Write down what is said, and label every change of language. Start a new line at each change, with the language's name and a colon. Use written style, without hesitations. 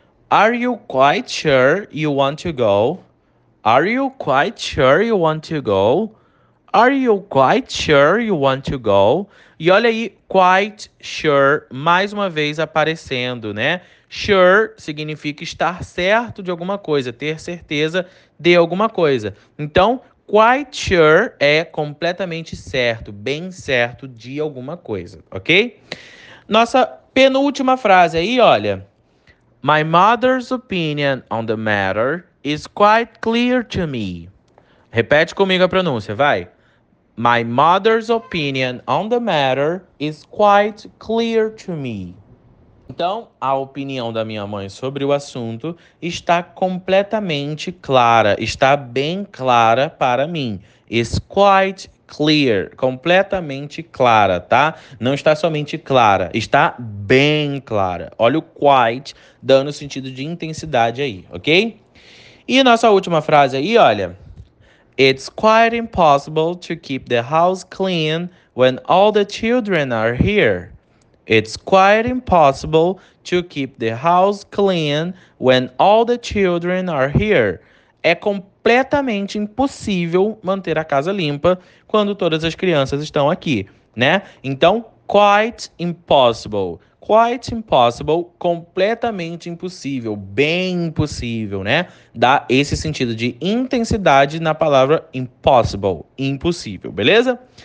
English: Are you quite sure you want to go? Are you quite sure you want to go? Are you quite sure you want to go?
Portuguese: E olha aí, quite sure, mais uma vez aparecendo, né? Sure significa estar certo de alguma coisa, ter certeza de alguma coisa. Então, quite sure é completamente certo, bem certo de alguma coisa, ok? Nossa penúltima frase aí, olha.
English: My mother's opinion on the matter is quite clear to me.
Portuguese: Repete comigo a pronúncia, vai.
English: My mother's opinion on the matter is quite clear to me.
Portuguese: Então, a opinião da minha mãe sobre o assunto está completamente clara, está bem clara para mim. Is quite clear, completamente clara, tá? Não está somente clara, está bem clara. Olha o quite dando sentido de intensidade aí, ok? E a nossa última frase aí, olha.
English: It's quite impossible to keep the house clean when all the children are here. It's quite impossible to keep the house clean when all the children are here.
Portuguese: É completamente impossível manter a casa limpa quando todas as crianças estão aqui, né? Então, quite impossible. Quite impossible, completamente impossível, bem impossível, né? Dá esse sentido de intensidade na palavra impossible, impossível, beleza?